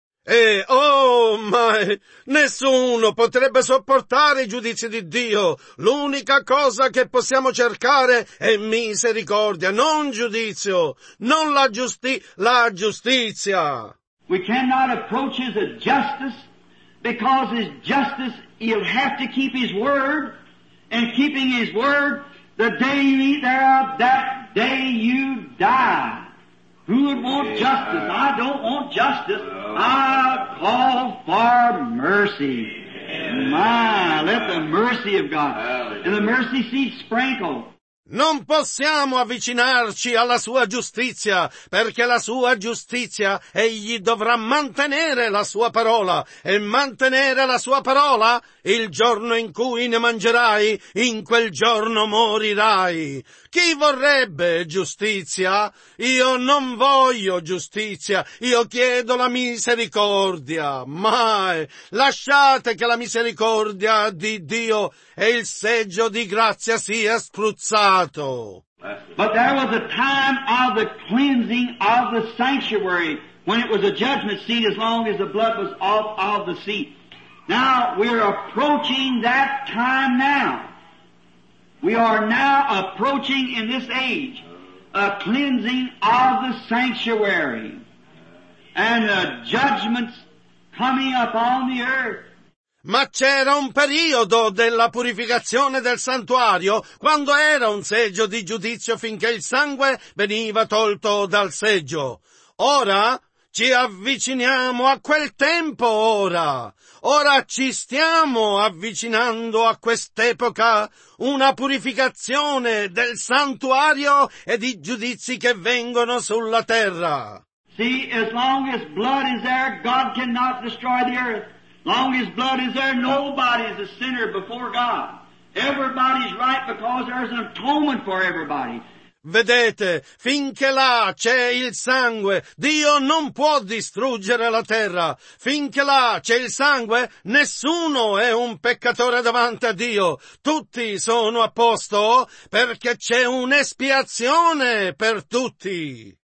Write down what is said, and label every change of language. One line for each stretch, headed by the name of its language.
Italian: E oh, ma nessuno potrebbe sopportare i giudizi di Dio. L'unica cosa che possiamo cercare è misericordia, non giudizio, non la giustizia.
English: We cannot approach his justice because his justice, he'll have to keep his word. And keeping his word, the day you eat thereof, that day you die. Who would want justice? I don't want justice. I call for mercy. My, let the mercy of God and the mercy seat sprinkle.
Italian: Non possiamo avvicinarci alla sua giustizia, perché la sua giustizia, egli dovrà mantenere la sua parola, e mantenere la sua parola, il giorno in cui ne mangerai, in quel giorno morirai. Chi vorrebbe giustizia? Io non voglio giustizia, io chiedo la misericordia. Mai, lasciate che la misericordia di Dio e il seggio di grazia sia spruzzato.
English: But there was a time of the cleansing of the sanctuary when it was a judgment seat as long as the blood was off of the seat. Now we're approaching that time now. We are now approaching in this age a cleansing of the sanctuary and the judgments coming upon the earth.
Italian: Ma c'era un periodo della purificazione del santuario quando era un seggio di giudizio finché il sangue veniva tolto dal seggio. Ora Ci avviciniamo a quel tempo ora. Ora ci stiamo avvicinando a quest'epoca, una purificazione del santuario e di giudizi che vengono sulla terra.
English: See, as long as blood is there, God cannot destroy the earth. Long as blood is there, nobody is a sinner before God. Everybody's right because there's an atonement for everybody.
Italian: Vedete, finché là c'è il sangue, Dio non può distruggere la terra. Finché là c'è il sangue, nessuno è un peccatore davanti a Dio. Tutti sono a posto perché c'è un'espiazione per tutti.